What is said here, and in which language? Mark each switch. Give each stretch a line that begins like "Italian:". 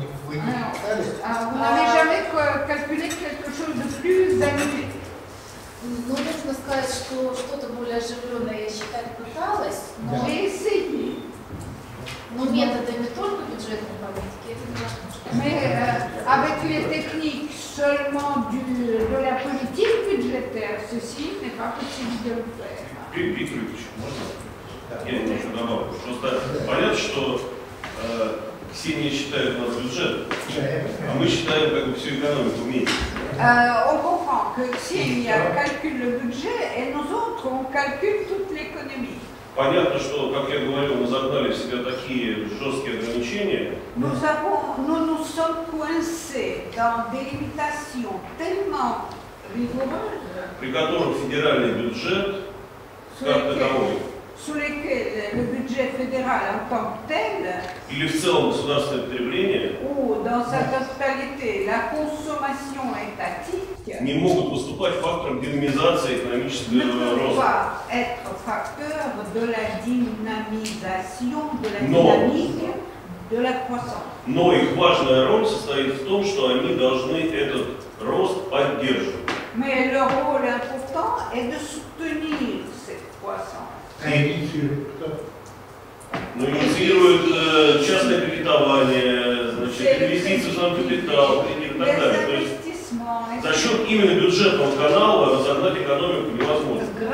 Russian: Вы
French: n'avez jamais calculé quelque chose de plus d'annulé.
Russian: Ну, можно сказать, что что-то более оживленное я считать пыталась, но...
French: J'ai essayé.
Russian: Но методы не только бюджетной политики, это немножко...
French: Mais avec les techniques seulement de la politique budgétaire, ceci n'est pas possible de le faire.
Russian: Питер Ильич, можно? Я не хочу добавить. Просто понятно, что... Ксения считает у нас бюджет, а мы считаем как бы всю экономику вместе.
French: On comprend que Ксения calcule le budget et nous autres on calcule toute l'économie.
Russian: Понятно, что, как я говорил, мы загнали в себя такие жесткие ограничения.
French: Nous avons, nous nous sommes coincés dans des limitations tellement rigoureuses.
Russian: При котором федеральный бюджет как таковой.
French: Sur lesquels le budget fédéral en tant que tel,
Russian: или в целом государственное потребление,
French: ou dans sa totalité, la consommation étatique,
Russian: не могут выступать фактором динамизации экономического роста.
French: Ne peuvent pas être facteur de la dynamisation, de la dynamique, de la croissance.
Russian: Но их важная роль состоит в том, что они должны этот рост поддерживать.
French: Mais leur rôle important est de soutenir cette croissance.
Russian: Кредитирует кто? Ну, инициируют частное кредитование, значит, инвестиции в сам капитал, кредит и так далее. То есть за счет именно бюджетного канала разогнать экономику невозможно.